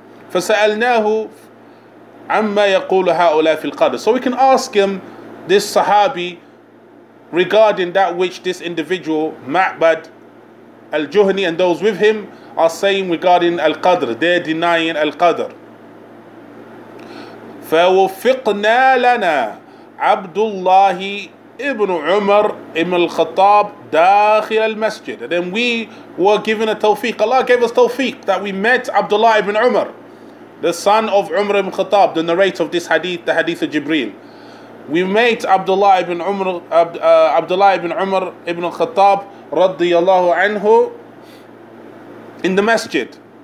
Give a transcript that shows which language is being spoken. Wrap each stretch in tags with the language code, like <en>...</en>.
<ar>فَسَأَلْنَاهُ عَمَّا يَقُولُ هَؤُلَاءِ فِي الْقَدْرِ.</ar> <en>So we can ask him, this Sahabi, regarding that which this individual, Ma'bad al-Juhni, and those with him, are saying regarding Al-Qadr, they're denying Al-Qadr.</en> <ar>فوفقنا لنا عبد الله ابن عمر ابن الخطاب داخل المسجد.</ar> <en>And then we were given a tawfiq. Allah gave us tawfiq that we met Abdullah ibn Umar, the son of Umar ibn Khattab, the narrator of this hadith, the hadith of Jibreel. We met Abdullah ibn Umar ibn Khattab radiyallahu anhu in the masjid.</en>